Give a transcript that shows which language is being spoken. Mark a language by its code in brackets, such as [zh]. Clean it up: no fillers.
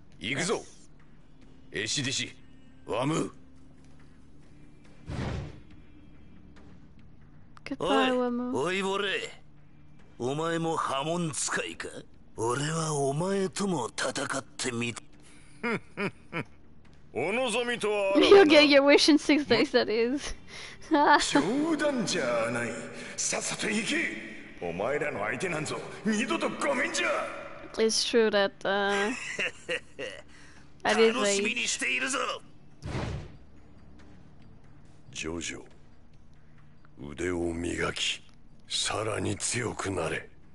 [ja] 行くぞ。エシディシ、ワム。おい、おいぼれ、お前も波紋使いか。俺はお前とも戦ってみた。お望みとはあらば。 [en] You'll get your wish in six days, that is. [ja] 冗談じゃない。さっさと行け。お前らの相手なんぞ、二度とごめんじゃ。 [en] It's true that, that is late. [ja] 楽しみにしているぞ。ジョジョ。腕を磨き、さらに強くなれ。